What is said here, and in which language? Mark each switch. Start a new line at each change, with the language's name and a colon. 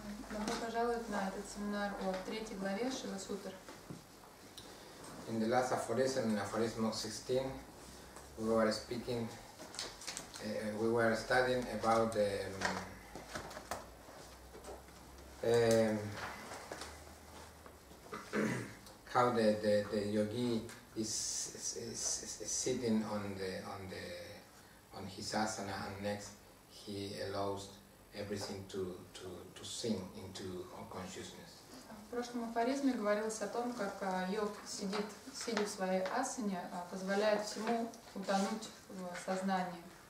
Russian: Добро пожаловать на этот семинар о третьей главе Шива Сутр.
English: In the last aphorism, in aphorism 16, we were studying about the how the yogi is sitting on his asana, and next he allows everything to sink into our consciousness.
Russian: В прошлом афоризме говорилось о том, как йог сидит в своей асане, позволяет всему утонуть в сознании.